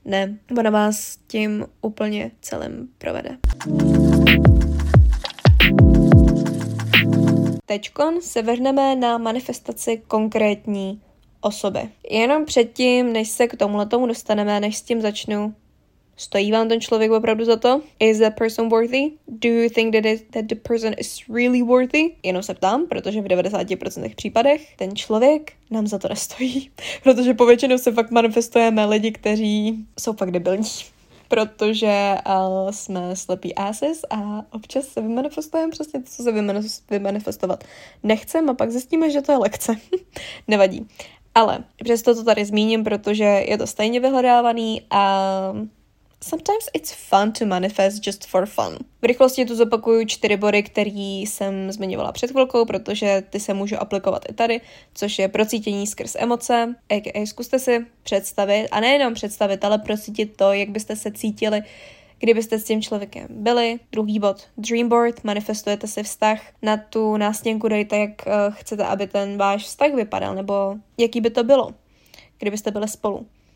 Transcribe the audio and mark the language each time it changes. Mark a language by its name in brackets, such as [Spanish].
[Czech] Ne, ona vás tím úplně celým provede. Teďkon se vrhneme na manifestaci konkrétní osoby. Jenom předtím, než se k tomuhle tomu dostaneme, než s tím začnu, stojí vám ten člověk opravdu za to? [English] Is that person worthy? Do you think that the person is really worthy? [Czech] Jenom se ptám, protože v 90% případech ten člověk nám za to nestojí. Protože povětšinou se fakt manifestujeme lidi, kteří jsou fakt debilní. Protože jsme slepí asses a občas se vymanifestujeme přesně to, co se vymanifestovat nechcem a pak zjistíme, že to je lekce. Nevadí. Ale přesto to tady zmíním, protože je to stejně vyhledávaný a [English] Sometimes it's fun to manifest just for fun. [Czech] V rychlosti tu zopakuju 4 body, který jsem zmiňovala před chvilkou, protože ty se můžu aplikovat i tady, což je procítění skrz emoce, a.k.a. zkuste si představit, a nejenom představit, ale procítit to, jak byste se cítili, kdybyste s tím člověkem byli. Druhý bod, dream board, manifestujete si vztah. Na tu nástěnku dejte, jak chcete, aby ten váš vztah vypadal, nebo jaký by to bylo, kdybyste byli spolu.